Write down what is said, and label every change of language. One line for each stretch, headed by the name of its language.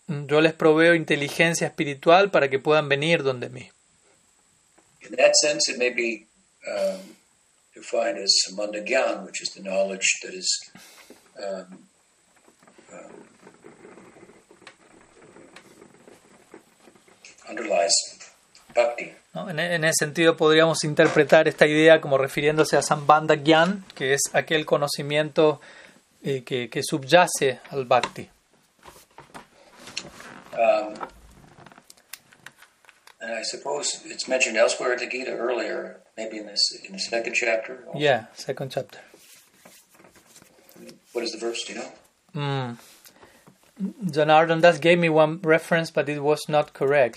Spanish: Yo les proveo inteligencia espiritual para que puedan venir donde mí.
English: In that sense, it may be defined as samanda gyan, which is the knowledge that is underlies bhakti.
Spanish: No, en ese sentido podríamos interpretar esta idea como refiriéndose a samanda gyan, que es aquel conocimiento que subyace al bhakti.
English: And I suppose it's mentioned elsewhere in the Gita earlier, maybe in the second chapter. Also. Yeah, second chapter. What is the verse, do you know? Janardhan Das gave me one reference, but it was not correct.